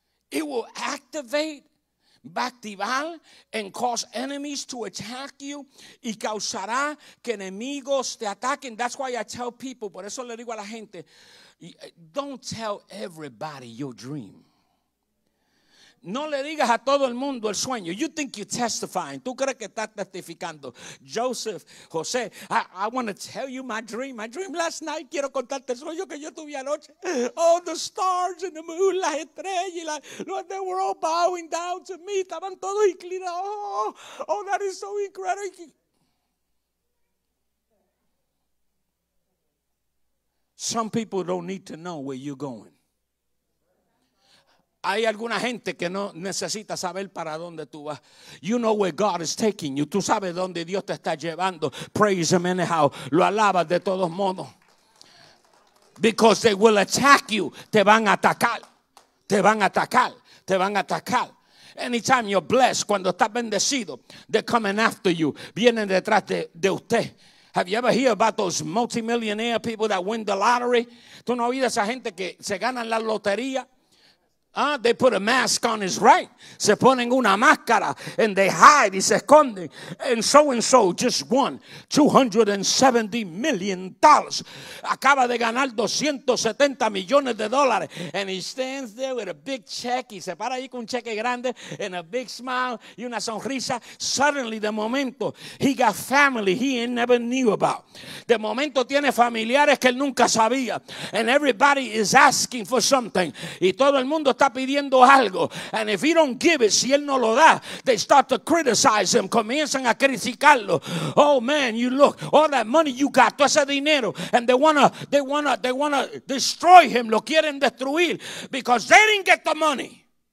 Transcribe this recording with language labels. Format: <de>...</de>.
<en>It will activate.</en> <es>Va a activar</es> <en>and cause enemies to attack you</en> <es>y causará que enemigos te ataquen.</es> <en>That's why I tell people,</en> <es>por eso le digo a la gente,</es> <en>don't tell everybody your dream.</en> <es>No le digas a todo el mundo el sueño.</es> <en>You think you're testifying.</en> <es>Tú crees que estás testificando.</es> <en>Joseph, José, I want to tell you my dream. My dream last night.</en> <es>Quiero contarte el sueño que yo tuve anoche.</es> <en>Oh, the stars and the moon,</en> <es>las estrellas.</es> <en>Lord, they were all bowing down to me.</en> <es>Estaban todos inclinados.</es> <en>Oh, that is so incredible. Some people don't need to know where you're going.</en> <es>Hay alguna gente que no necesita saber para dónde tú vas.</es> <en>You know where God is taking you.</en> <es>Tú sabes dónde Dios te está llevando.</es> <en>Praise him anyhow.</en> <es>Lo alabas de todos modos.</es> <en>Because they will attack you.</en> <es>Te van a atacar. Te van a atacar. Te van a atacar.</es> <en>Anytime you're blessed,</en> <es>cuando estás bendecido,</es> <en>they're coming after you.</en> <es>Vienen detrás de usted.</es> <en>Have you ever heard about those multimillionaire people that win the lottery?</en> <es>¿Tú no oyes a esa gente que se gana la lotería?</es> <en>They put a mask on, is right.</en> <es>Se ponen una máscara,</es> <en>and they hide,</en> <es>y se esconden.</es> <en>And so-and-so just won $270 million.</en> <es>Acaba de ganar 270 millones de dólares.</es> <en>And he stands there with a big check,</en> <es>y se para ahí con un cheque grande,</es> <en>and a big smile,</en> <es>y una sonrisa.</es> <en>Suddenly,</en> <es>de momento,</es> <en>he got family he ain't never knew about.</en> <es>De momento, tiene familiares que él nunca sabía.</es> <en>And everybody is asking for something.</en> <es>Y todo el mundo está pidiendo algo.</es> <en>And if he don't give it,</en> <es>si él no lo da,</es> <en>they start to criticize him.</en> <es>Comienzan a criticarlo.</es> <en>Oh man, you look, all that money you got,</en> <es>todo ese dinero,</es> <en>and they wanna destroy him.</en> <es>Lo quieren destruir</es> <en>because they didn't get the money.</en>